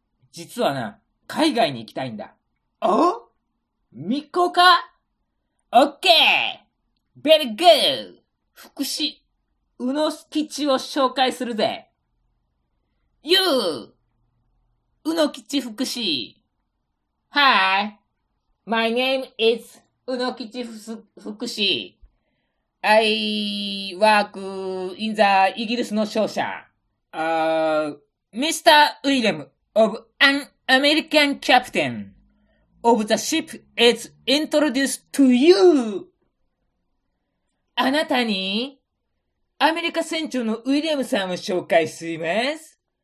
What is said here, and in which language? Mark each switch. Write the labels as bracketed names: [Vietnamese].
[Japanese] 実はな、海外に行きたいんだ。あ？密航か？ [English] OK! Very good! [Japanese] 福士、宇野吉を紹介するぜ。 [English] You! [Japanese] 宇野吉福士。 [English] Hi, my name is 宇野吉福士。 I work in the [Japanese] イギリスの商社。 [English] Mr. William of an American captain of the ship is introduced to you. [Japanese] あなたにアメリカ船長のウィリアムさんを紹介します。